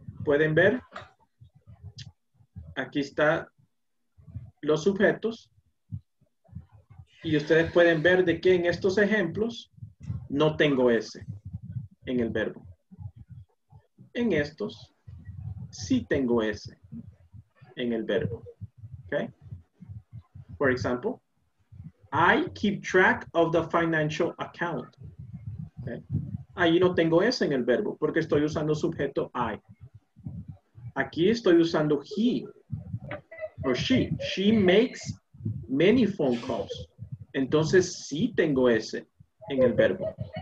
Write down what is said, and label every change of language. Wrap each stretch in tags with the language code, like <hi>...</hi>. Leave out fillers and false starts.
<es>pueden ver, aquí está los sujetos. Y ustedes pueden ver de que en estos ejemplos no tengo S en el verbo. En estos sí tengo S en el verbo. Okay?</es> <en>For example, I keep track of the financial account. Okay?</en> <es>Ahí no tengo S en el verbo porque estoy usando sujeto I. Aquí estoy usando he or she.</es> <en>She makes many phone calls. Entonces, sí tengo S en el verbo.</en>